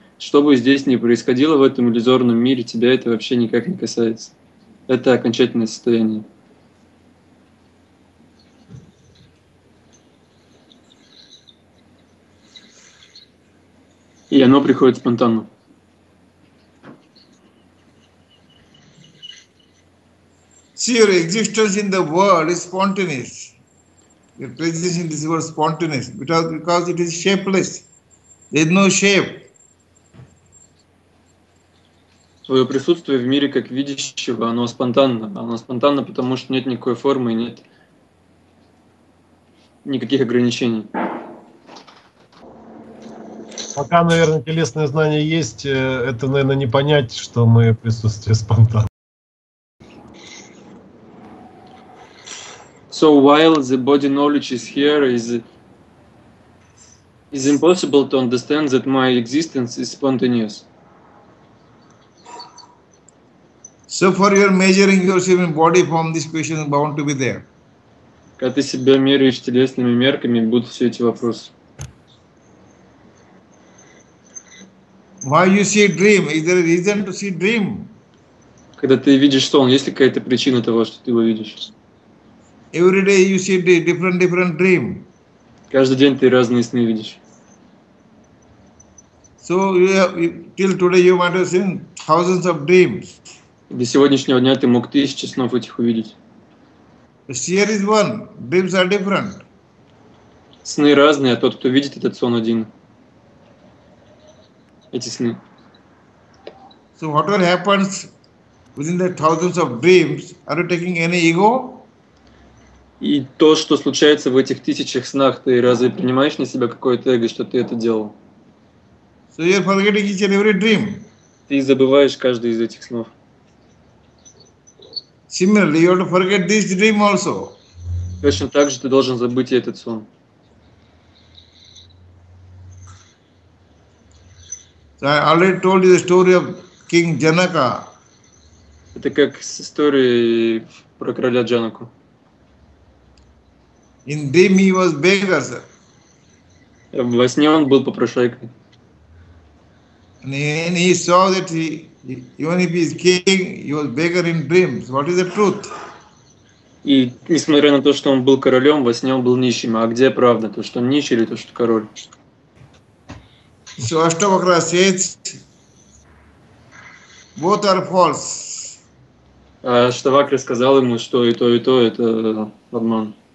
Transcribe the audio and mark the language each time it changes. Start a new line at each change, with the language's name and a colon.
Russian: Что бы здесь ни происходило в этом иллюзорном мире, тебя это вообще никак не касается. Это окончательное состояние. И оно приходит спонтанно.
English: See, your existence in the world is spontaneous. Your presence in this world is spontaneous because it is shapeless. There is no shape.
Russian: Твое присутствие в мире как видящего, оно спонтанно. Оно спонтанно, потому что нет никакой формы и нет никаких ограничений. Пока, наверное, телесное знание есть, это, наверное, не понять, что мое присутствие спонтанно.
English: So while the body knowledge is here, is impossible to understand that my existence is spontaneous. So for your measuring yourself in body form, this question is bound to be there.
Russian: Когда ты себя меряешь телесными мерками, будут все эти вопросы.
English: Why you see a dream? Is there a reason to see a dream?
Russian: Когда ты видишь сон, есть ли какая-то причина того, что ты его видишь?
English: Every day you see a different dream.
Russian: Каждый день ты разные сны видишь.
English: So till today you might have seen thousands of dreams.
Russian: До сегодняшнего дня ты мог тысячи снов этих увидеть.
English: Seer is one, dreams are different.
Russian: Сны разные, а тот, кто видит этот сон, один. Эти сны.
English: So whatever happens within the thousands of dreams, are you taking any ego?
Russian: И то, что случается в этих тысячах снах, ты разве принимаешь на себя какое-то эго, что ты это делал?
English: So you're forgetting each and every dream.
Russian: Ты забываешь каждый из этих снов.
English: Similarly, you have to forget this dream also.
Russian: Точно так же ты должен забыть и этот сон.
English: So I already told you the story of King Janaka.
Russian: Это как с историей про короля Джанаку.
English: In dream he was beggar, sir.
Russian: Во сне он был попрошайкой.
English: And he saw that he even if he is king, he was beggar in dreams. What is the truth?
Russian: И несмотря на то, что он был королем, во сне он был нищим. А где правда? То, что он нищий или то, что король?
English: So Ashtavakra says, both are false.
Russian: Аштавакра сказал ему, что и то – это обман.